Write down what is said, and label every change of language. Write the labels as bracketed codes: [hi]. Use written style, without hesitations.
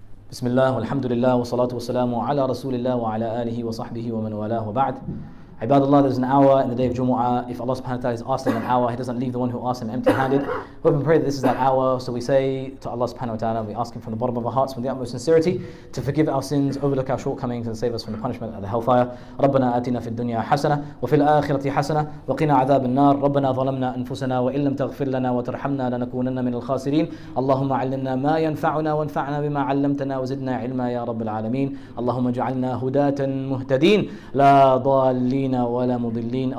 [ar] بسم الله والحمد لله والصلاة والسلام على رسول الله وعلى آله وصحبه ومن والاه وبعد. عباد الله, [en] there's an hour in the day of Jumu'ah. If Allah subhanahu wa ta'ala has asked him an hour, He doesn't leave the one who asks Him empty-handed. Hope and pray that this is that hour. So we say to Allah subhanahu wa ta'ala, we ask Him from the bottom of our hearts with the utmost sincerity to forgive our sins, overlook our shortcomings, and save us from the punishment of the hellfire. [ar] ربنا آتنا في الدنيا حسنة وفي الآخرة حسنة وقنا عذاب النار. ربنا ظلمنا أنفسنا وإن لم تغفر لنا وترحمنا لنكونن من الخاسرين. اللهم علمنا ما ينفعنا وانفعنا بما علمتنا وزدنا علما يا رب العالمين. اللهم اجعلنا هداة مهتدين لا ضالين ولا مضلين.